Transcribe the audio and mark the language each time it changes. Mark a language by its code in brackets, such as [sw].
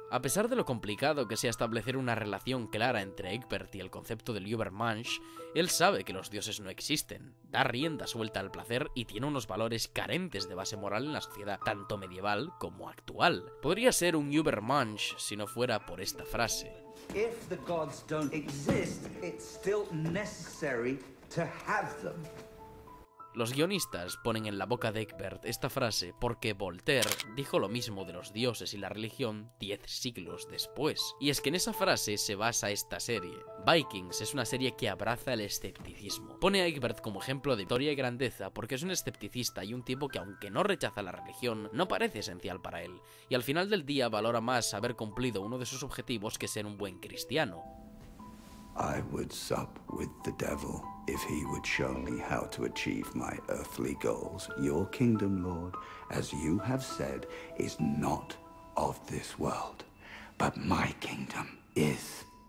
[es] A pesar de lo complicado que sea establecer una relación clara entre Egbert y el concepto del Übermensch, él sabe que los dioses no existen, da rienda suelta al placer y tiene unos valores carentes de base moral en la sociedad, tanto medieval como actual. Podría ser un Übermensch si no fuera por esta frase. [en] If the gods don't exist, it's still necessary to have them. [es] Los guionistas ponen en la boca de Egbert esta frase porque Voltaire dijo lo mismo de los dioses y la religión 10 siglos después. Y es que en esa frase se basa esta serie. Vikings es una serie que abraza el escepticismo. Pone a Egbert como ejemplo de victoria y grandeza porque es un escepticista y un tipo que, aunque no rechaza la religión, no parece esencial para él. Y al final del día valora más haber cumplido uno de sus objetivos que ser un buen cristiano. [en] I would sup with the devil if he would show me how to achieve my earthly goals. Your kingdom, Lord, as you have said, is not of this world, but my kingdom is.